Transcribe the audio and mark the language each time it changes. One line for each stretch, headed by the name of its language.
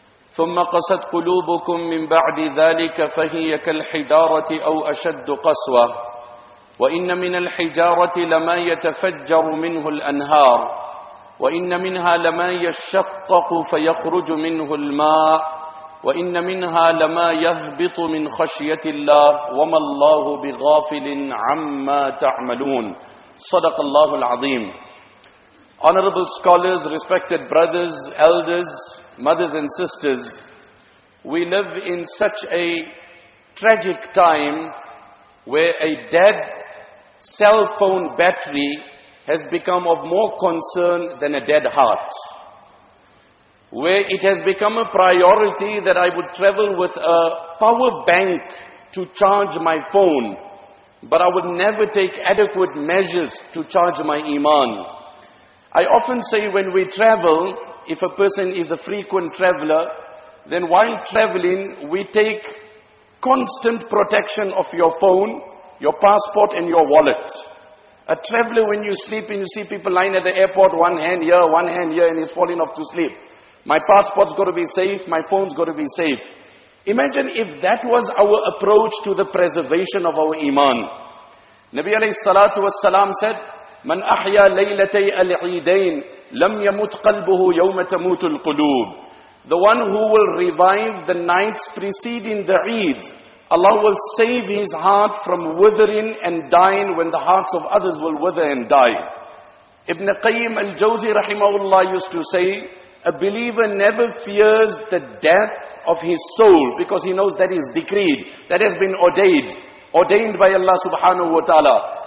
Arabic: ثم قست قلوبكم من بعد ذلك فهي كالحجارة أو أشد قسوة، وإن من الحجارة لما يتفجر منه الأنهار، وإن منها لما يشقق فيخرج منه الماء، وإن منها لما يهبط من خشية الله، وما الله بغافل عما تعملون. صدق الله العظيم.
English: Honorable scholars, respected brothers, elders, mothers and sisters, we live in such a tragic time where a dead cell phone battery has become of more concern than a dead heart, where it has become a priority that I would travel with a power bank to charge my phone, but I would never take adequate measures to charge my iman. I often say, when we travel, if a person is a frequent traveler, then while traveling, we take constant protection of your phone, your passport and your wallet. A traveler, when you sleep and you see people lying at the airport, one hand here, and he's falling off to sleep. My passport's got to be safe, my phone's got to be safe. Imagine if that was our approach to the preservation of our iman.
Arabic: Nabi alayhi salatu was salam said, من أحيا ليلتي العيدين لم يموت قلبه يوم تموت القلوب.
English: The one who will revive the nights preceding the Eids, Allah will save his heart from withering and dying when the hearts of others will wither and die. Ibn Qayyim al-Jawzi rahimahullah used to say, a believer never fears the death of his soul because he knows that is decreed, that has been ordained by Allah subhanahu wa ta'ala.